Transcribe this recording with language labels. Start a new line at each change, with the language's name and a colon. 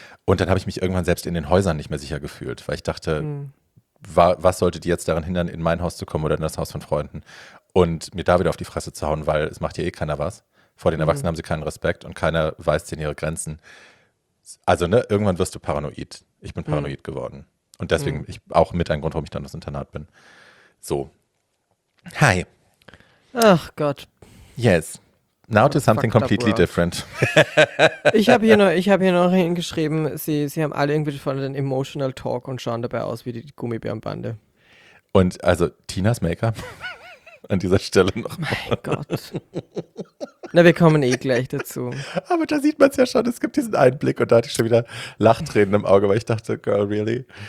German: Und dann habe ich mich irgendwann selbst in den Häusern nicht mehr sicher gefühlt, weil ich dachte, was sollte die jetzt daran hindern, in mein Haus zu kommen oder in das Haus von Freunden und mir da wieder auf die Fresse zu hauen, weil es macht ja eh keiner was. Vor den Erwachsenen haben sie keinen Respekt und keiner weist denen ihre Grenzen. Also ne, irgendwann wirst du paranoid. Ich bin paranoid geworden. Und deswegen ich auch mit ein Grund, warum ich dann ins Internat bin. So. Hi. Ach Gott.
English: Yes. Now to something completely different.
German: Ich habe hier noch hingeschrieben, sie haben alle irgendwie von den Emotional Talk und schauen dabei aus wie die Gummibärenbande. Und also Tinas Make-up an dieser Stelle noch. Mein Gott. Na, wir kommen eh gleich dazu. Aber da sieht man es ja schon, es gibt diesen Einblick und da hatte ich schon wieder Lachtränen im Auge, weil ich dachte,
English: girl, really?